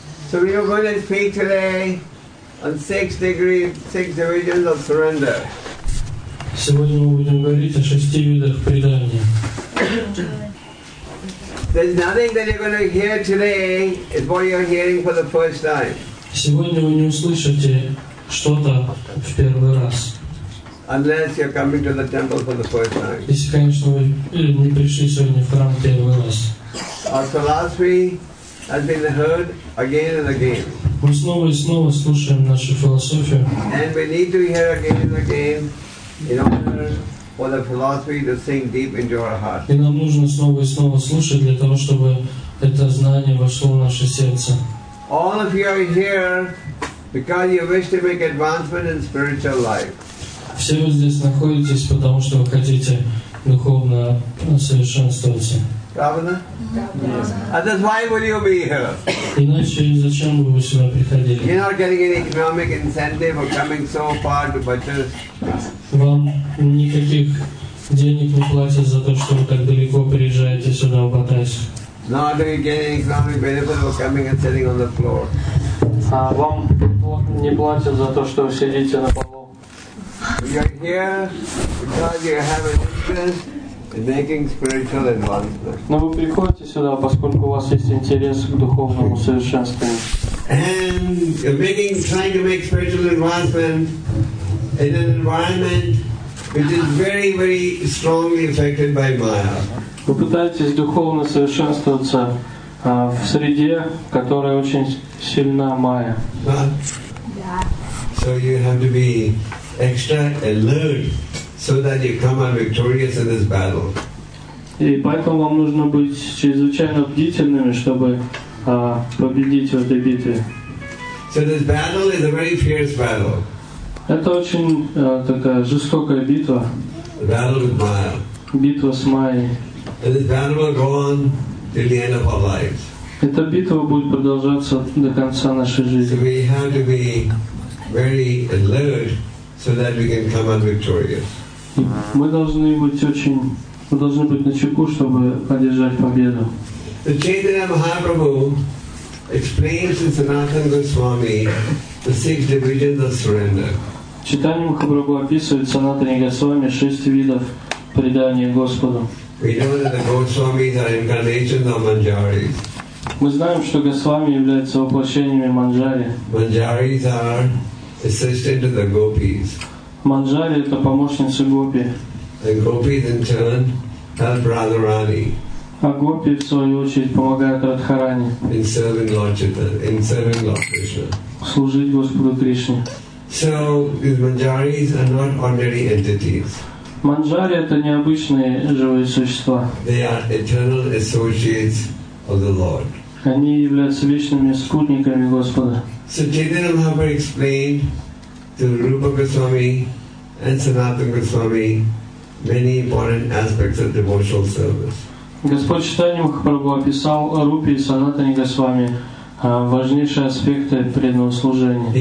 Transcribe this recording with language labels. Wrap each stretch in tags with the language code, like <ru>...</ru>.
<en>So we are going to speak today on six degrees of surrender.</en> <ru>Сегодня мы будем говорить о шести видах предания.</ru> <en>There's nothing that you're going to hear today is what you're hearing for the first time.</en> <ru>Сегодня вы не услышите что-то в первый раз.</ru> <en>Unless you're coming to the temple for the first time.</en> <ru>Если, конечно, вы не пришли сегодня в храм первый раз.</ru> <en>Our philosophy has been heard again and again.</en> <ru>Мы снова и снова слушаем нашу философию.</ru> <en>And we need to hear again and again in order for the philosophy to sink deep into our heart.</en> <ru>И нам нужно снова и снова слушать для того, чтобы это знание вошло в наше сердце.</ru> <en>All of you are here because you wish to make advancement in spiritual life.</en> <ru>Все вы здесь находитесь, потому что вы хотите духовно совершенствоваться. Правда? Да.</ru> <en>And that's why would you be here?</en> <ru>Иначе зачем бы вы сюда приходили?</ru> <en>You're not getting any economic incentive for coming so far to Bathurst.</en> <ru>Вам никаких денег не платят за то, что вы так далеко приезжаете сюда, в Батайск.</ru> <en>Not do you get any economic benefit for coming and sitting on the floor.</en> <ru>Вам не платят за то, что вы сидите на полу.</ru> <en>You're here because you have an interest in making spiritual advancement.</en> <ru>Но вы приходите сюда, поскольку у вас есть интерес к духовному совершенствованию.</ru> <en>And you're trying to make spiritual advancement in an environment which is very, very strongly affected by Maya.</en> <ru>Вы пытаетесь духовно совершенствоваться в среде, которая очень сильна Майя.</ru> <en>So you have to be extra alert so that you come out victorious in this battle.</en> <ru>И поэтому вам нужно быть чрезвычайно бдительными, чтобы победить в этой битве.</ru> <en>So this battle is a very fierce battle.</en> <ru>Это очень такая жестокая битва.</ru> <en>Battle with Maya.</en> <ru>Битва с Майей.</ru> <en>And this battle will go on till the end of our lives.</en> <ru>Эта битва будет продолжаться до конца нашей жизни.</ru> <en>So we have to be very alert so that we can come out victorious.</en> <ru>Мы должны быть начеку, чтобы одержать победу.</ru> <en>The Chaitanya Mahaprabhu explains in Sanatana Goswami the six divisions of surrender.</en> <ru>Chaitanya Mahaprabhu описывает в Санатане Госвами шесть видов предания Господу.</ru> <en>We know that the Goswamis are incarnations of Manjaris.</en> <ru>Мы знаем, что Госвами являются воплощениями Манджари.</ru> <en>Manjaris are assistants of the Gopis.</en> <ru>Манджари это помощницы Гопи.</ru> <en>The Gopis in turn help Radharani.</en> <ru>А Гопи в свою очередь помогают Радхарани.</ru> <en>In serving Lord Chaitanya, in serving Lord Krishna.</en> <ru>Служить Господу Кришне.</ru> <en>So these Manjaris are not ordinary entities.</en> <ru>Манджари это необычные живые существа.</ru> <en>They are eternal associates of the Lord.</en> <ru>Они являются вечными спутниками Господа.</ru> <en>So Chaitanya Mahaprabhu explained to Rupa Goswami and Sanatana Goswami many important aspects of devotional service.</en> <ru>Господь Чайтанья Махапрабху описал Рупе и Санатане Госвами важнейшие аспекты преданного служения.</ru>